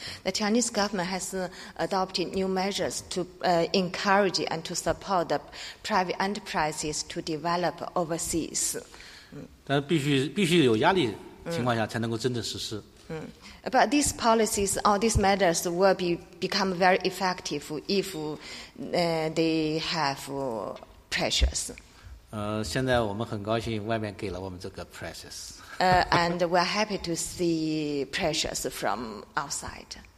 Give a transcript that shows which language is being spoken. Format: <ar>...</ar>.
<en>The Chinese government has adopted new measures to encourage and to support the private enterprises to develop overseas.</en> <zh>但必须有压力情况下才能够真正实施。</zh> <en>But these policies or these measures will become very effective if they have pressures.</en> <zh>现在我们很高兴外面给了我们这个 pressures.</zh> <en>And we're happy to see pressures from outside.</en>